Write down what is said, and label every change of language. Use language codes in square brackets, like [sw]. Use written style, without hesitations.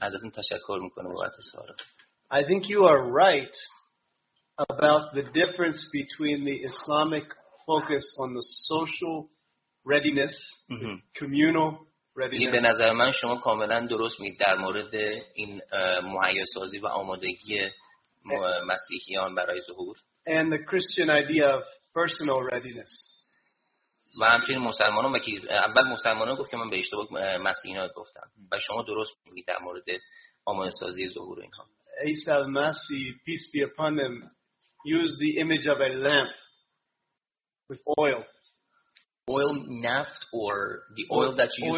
[fa] ازتون تشکر میکنم بابت سوال. [en] I think you are right about the difference between the Islamic focus on the social readiness, the communal readiness. [fa] به نظر من شما کاملا درست میگید در مورد این مهیاسازی و آمادگی مسیحیان برای ظهور. [en] And the Christian idea of personal readiness. [fa] و همچنین مسلمانان و که اول مسلمانان گفت که من به اشتباه مسیحیان گفتم و شما درست میگید در مورد آماده سازی ظهور اینها. [en] عیسی مسیح peace be upon him used the image of a lamp with oil. Oil, naft, or the oil that you use